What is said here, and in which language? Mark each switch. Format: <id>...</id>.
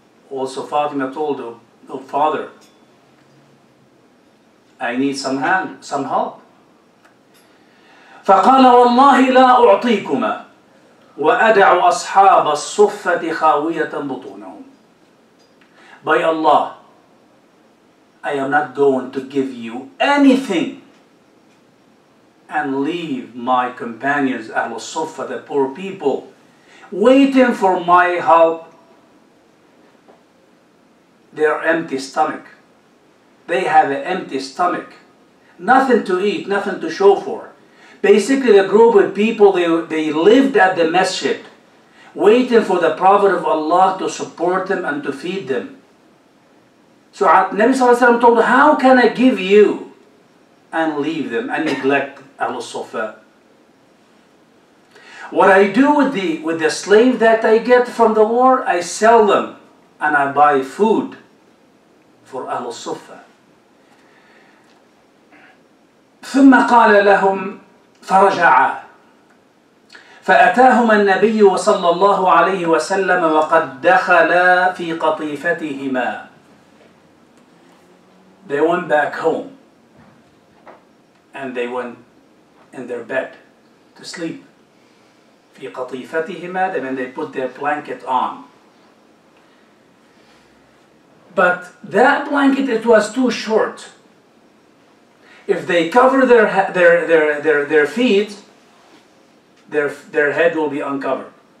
<en>Also Fatima told her, oh father, I need some hand, some help.</en> <ar>فقال والله لا أعطيكما وأدع أصحاب الصفة خاوية بطونهم.</ar> <en>By Allah, I am not going to give you anything and leave my companions, Ahlul Sufa, the poor people, waiting for my help. Their empty stomach. They have an empty stomach. Nothing to eat, nothing to show for. Basically, the group of people, they lived at the masjid, waiting for the Prophet of Allah to support them and to feed them. So Nabi Sallallahu Alaihi Wasallam told, how can I give you and leave them and neglect Ahlul Sufa? What I do with the slave that I get from the war, I sell them and I buy food for Ahlul Sufa.</en> <ar>ثم قال لهم فرجع فأتاهما النبي صلى الله عليه وسلم وقد دخلا في قطيفتهما.</ar> <en>They went back home and they went in their bed to sleep.</en> <ar>في قطيفتهما,</ar> <en>then they put their blanket on. But that blanket, it was too short. If they cover their feet, their head will be uncovered.</en>